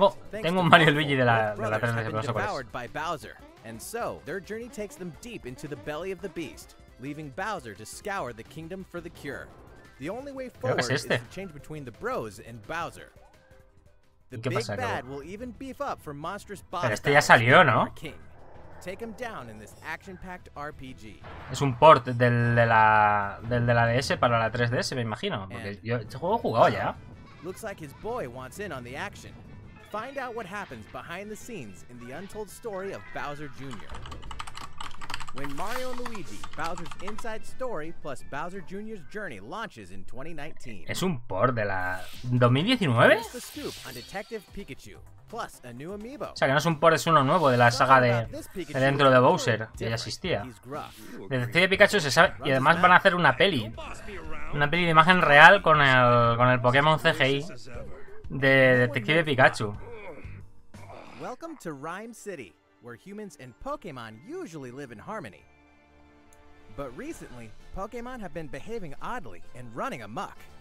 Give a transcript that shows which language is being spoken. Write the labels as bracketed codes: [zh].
[es] Tengo un Mario Luigi de la 3DS, pero no sé cuál es. [en] And so, their journey takes them deep into the belly of the beast, leaving Bowser to scour the kingdom for the cure. The only way forward is to change between the bros and Bowser. The big bad will even beef up for monstrous boss. [es] Este ya salió, ¿no? [en] Take him down in this action-packed RPG. [es] Es un port del de la DS para la 3DS, me imagino, porque yo este juego he jugado ya. [en] Looks like his boy wants in on the action. Find out what happens behind the scenes in the untold story of Bowser Jr. When Mario and Luigi, Bowser's Inside Story plus Bowser Jr.'s Journey launches in 2019. [es] Es un port de la 2019. [en] Here's the scoop on Detective Pikachu plus a new amiibo. [es] O sea, que no es un port, es uno nuevo de la saga de dentro de Bowser, que ya existía. Detective Pikachu se sabe, y además van a hacer una peli de imagen real con el Pokémon CGI. De Detective Pikachu. [en] Welcome to Rhyme City, where humans and Pokémon usually live in harmony. But recently, Pokémon have been behaving oddly and running amok.